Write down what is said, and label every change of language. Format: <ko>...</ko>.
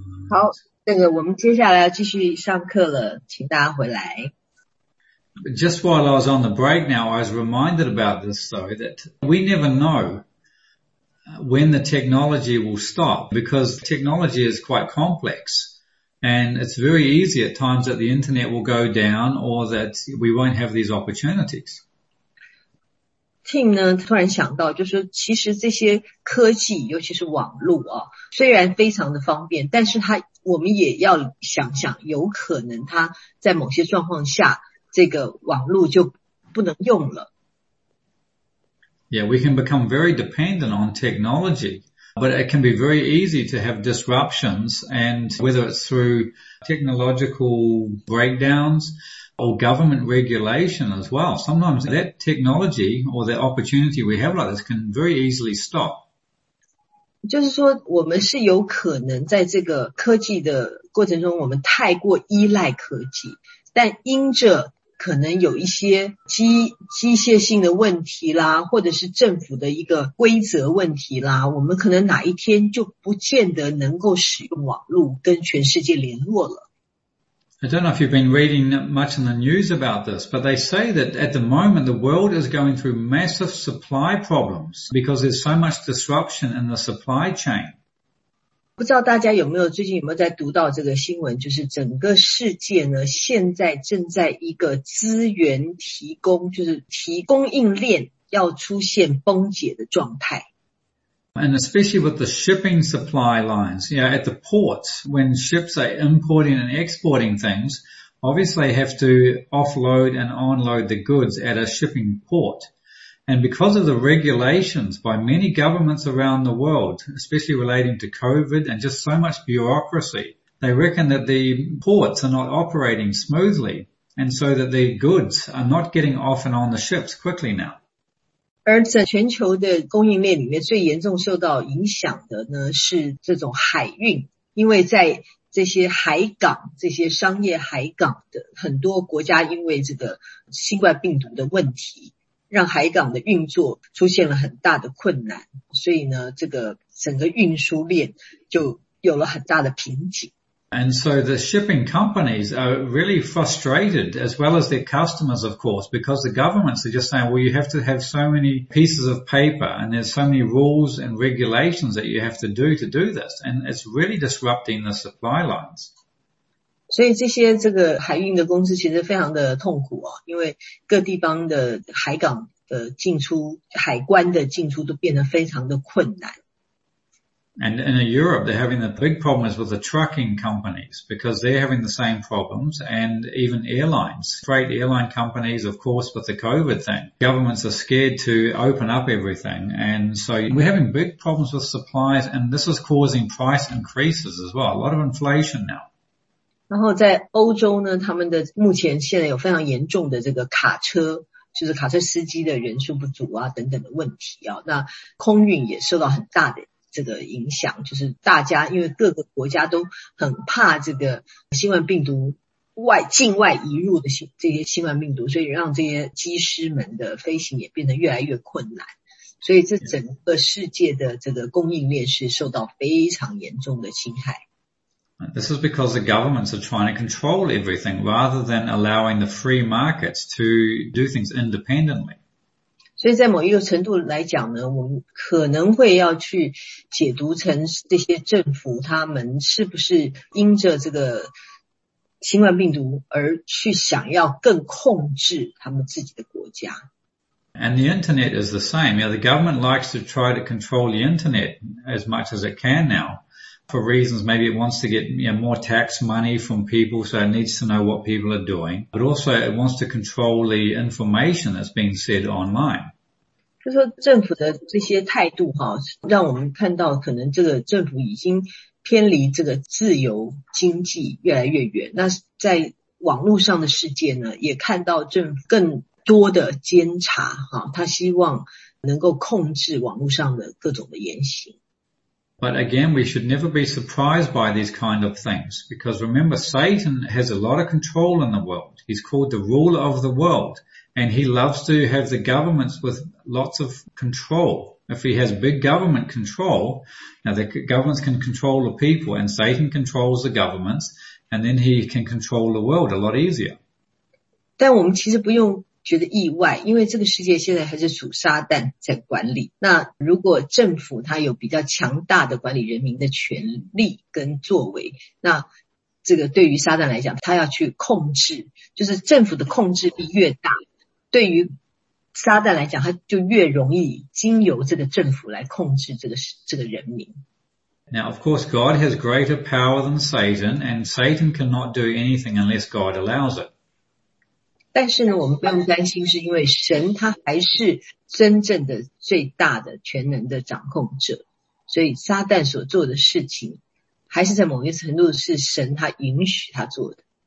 <zh>好，那个我们接下来要继续上课了，请大家回来。</zh> <en>Just while I was on the break now, I was reminded about this though, that we never know when the technology will stop because technology is quite complex and it's very easy at times that the internet will go down or that we won't have these opportunities.</en> <zh>Tim 呢，突然想到，就是说其实这些科技，尤其是网络啊，虽然非常的方便，但是它，我们也要想想，有可能它在某些状况下，这个网络就不能用了。</zh> <en>Yeah, we can become very dependent on technology, but it can be very easy to have disruptions, and whether it's through technological breakdowns,or government regulation as well. Sometimes that technology or the opportunity we have like this can very easily stop.</en> <zh>就是说我们是有可能在这个科技的过程中我们太过依赖科技，但因着可能有一些机械性的问题啦，或者是政府的一个规则问题啦，我们可能哪一天就不见得能够使用网络跟全世界联络了。</zh> <en>I don't know if you've been reading much in the news about this, but they say that at the moment the world is going through massive supply problems because there's so much disruption in the supply chain.</en> <zh>不知道大家有没有最近有没有在读到这个新闻，就是整个世界呢现在正在一个资源提供，就是提供应链要出现崩解的状态。</zh> <en>And especially with the shipping supply lines, you know, at the ports, when ships are importing and exporting things, obviously have to offload and unload the goods at a shipping port. And because of the regulations by many governments around the world, especially relating to COVID and just so much bureaucracy, they reckon that the ports are not operating smoothly and so that the goods are not getting off and on the ships quickly now.</en> <zh>而在全球的供应链里面最严重受到影响的呢是这种海运，因为在这些海港，这些商业海港的很多国家因为这个新冠病毒的问题让海港的运作出现了很大的困难，所以呢这个整个运输链就有了很大的瓶颈。</zh> <en>And so the shipping companies are really frustrated as well as their customers of course, because the governments are just saying, well, you have to have so many pieces of paper and there's so many rules and regulations that you have to do this, and it's really disrupting the supply lines.</en> <zh>所以这些这个海运的公司其实非常的痛苦啊，因为各地方的海港的进出，海关的进出都变得非常的困难。</zh> <en>And in Europe, they're having the big problems with the trucking companies because they're having the same problems and even airlines, freight airline companies, of course, with the COVID thing. Governments are scared to open up everything. And so we're having big problems with supplies and this is causing price increases as well. A lot of inflation now.</en> <zh>然后在欧洲呢，他们的目前现在有非常严重的这个卡车，就是卡车司机的人数不足啊等等的问题啊。那空运也受到很大的这个影响，就是大家因为各个国家都很怕这个新冠病毒境外移入的这些新冠病毒，所以让这些机师们的飞行也变得越来越困难，所以这整个世界的这个供应链是受到非常严重的侵害。</zh> <en>This is because the governments are trying to control everything rather than allowing the free markets to do things independently.</en> <zh>所以在某一个程度来讲呢，我们可能会要去解读成这些政府他们是不是因着这个新冠病毒而去想要更控制他们自己的国家。</zh> <en>And the internet is the same. You know, the government likes to try to control the internet as much as it can now for reasons maybe it wants to get, you know, more tax money from people so it needs to know what people are doing. But also it wants to control the information that's being said online.</en> <zh>就是说政府的这些态度哈，让我们看到可能这个政府已经偏离这个自由经济越来越远。那在网络上的世界呢，也看到政府更多的监察哈，他希望能够控制网络上的各种的言行。</zh> <en>But again, we should never be surprised by these kind of things, because remember, Satan has a lot of control in the world. He's called the ruler of the world, and he loves to have the governments with lots of control. If he has big government control, now the governments can control the people, and Satan controls the governments, and then he can control the world a lot easier.</en> <zh>但我们其实不用觉得意外，因为这个世界现在还是属撒旦在管理。那如果政府它有比较强大的管理人民的权力跟作为，那这个对于撒旦来讲，他要去控制，就是政府的控制力越大，对于撒旦来讲，他就越容易经由这个政府来控制这个人民。</zh> <en>Now, of course, God has greater power than Satan, and Satan cannot do anything unless God allows it.</en> <zh>但是呢，我们不用担心，是因为神他还是真正的最大的全能的掌控者，所以撒旦所做的事情还是在某一程度是神他允许他做的。</zh>